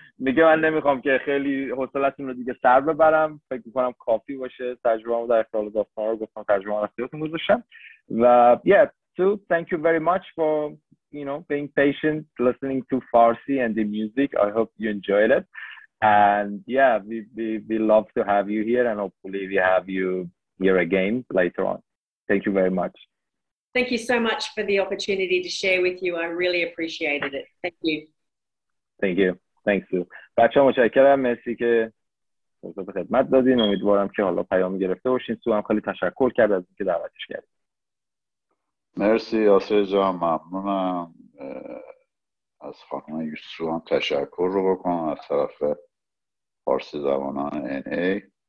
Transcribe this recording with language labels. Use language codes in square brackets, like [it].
[fa] میگه من نمیخوام که خیلی حوصله‌تون رو دیگه سر ببرم. فکر می‌کنم کافی باشه. تجربه‌مو در اختیار دوستان رو گفتم، تجربه‌مو در اختیارتون گذاشتم. [en] و yeah, so thank you very much for, you know, being patient listening to Farsi and the music. I hope you enjoyed it. And yeah, we love to have you here, and hopefully we have you here again later on. Thank you very much. Thank you so much for the opportunity to share with you. I really appreciated it. Thank you. Thank you. Thanks, Sue. [fa] بچه ها متشکرم، مرسی که حضور خدمت دادین. امیدوارم که حالا پیام گرفته باشین. سو هم خیلی تشکر کرد از اینکه دعوتش کردی. مرسی آسر جان، ممنونم. از خانم یوسف هم تشکر رو بکنم از طرف فارسی زبانان NA.